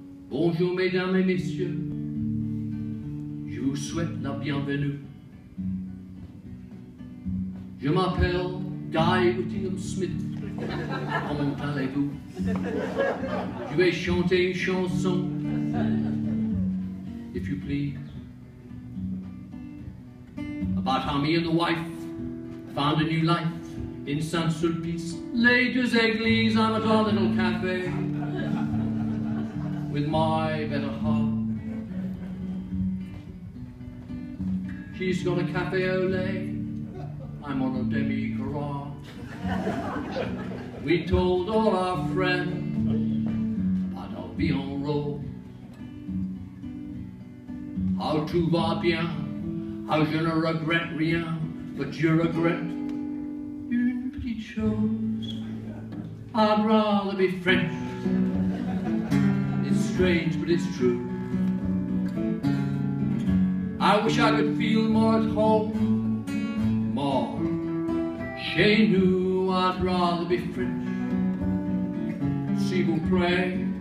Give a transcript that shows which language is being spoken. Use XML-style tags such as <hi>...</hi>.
<fr>Bonjour mesdames et messieurs, je vous souhaite la bienvenue. Je m'appelle Guy Whittingham Smith, comment allez-vous? Je vais chanter une chanson,</fr> <en>if you please. About how me and the wife found a new life in Saint-Sulpice.</en> <fr>Les deux églises,</fr> <en>I'm at our little cafe with my better half. She's got a cafe au lait, I'm on a demi-gras. We told all our friends about our bien rose. How</en> <fr>tout va bien,</fr> <en>how</en> <fr>je ne regret rien,</fr> <en>but you regret</en> <fr>une petite chose.</fr> <en>I'd rather be French. Strange, but it's true. I wish I could feel more at home, more</en> <fr>chez nous.</fr> <en>I'd rather be French,</en> <fr>s'il vous plaît.</fr>